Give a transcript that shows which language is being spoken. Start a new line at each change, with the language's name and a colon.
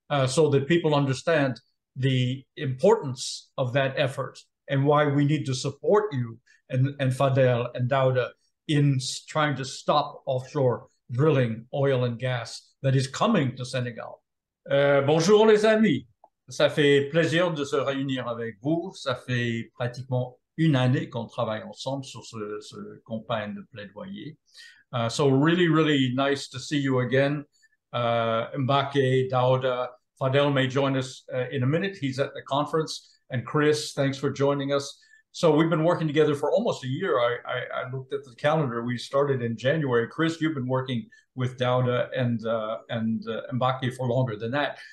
English: So that people understand the importance of that effort and why we need to support you and Fadel and Daouda in trying to stop offshore drilling oil and gas that is coming to Senegal.
French: Bonjour les amis. Ça fait plaisir de se réunir avec vous. Ça fait pratiquement une année qu'on travaille ensemble sur ce campagne de plaidoyer.
English: So really, really nice to see you again. Mbacke, Daouda, Fadel may join us in a minute. He's at the conference. And Chris, thanks for joining us. So we've been working together for almost a year. I looked at the calendar. We started in January. Chris, you've been working with Daouda and Mbacke for longer than that.